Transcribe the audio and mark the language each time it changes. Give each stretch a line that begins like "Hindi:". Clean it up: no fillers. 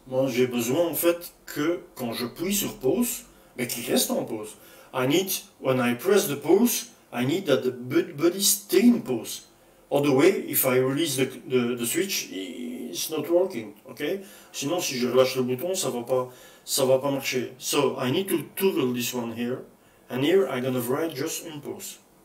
French: Moi, j'ai besoin en fait que quand je appuie sur pause, mais qu'il reste en pause.
English: I need, when I press the pause, I need that the body stay in pause. Otherwise, if I release the switch, it's not working. Okay?
French: Sinon, si je relâche le bouton, ça va pas marcher.
English: So I need to toggle this one here, and here I'm gonna write just in pause.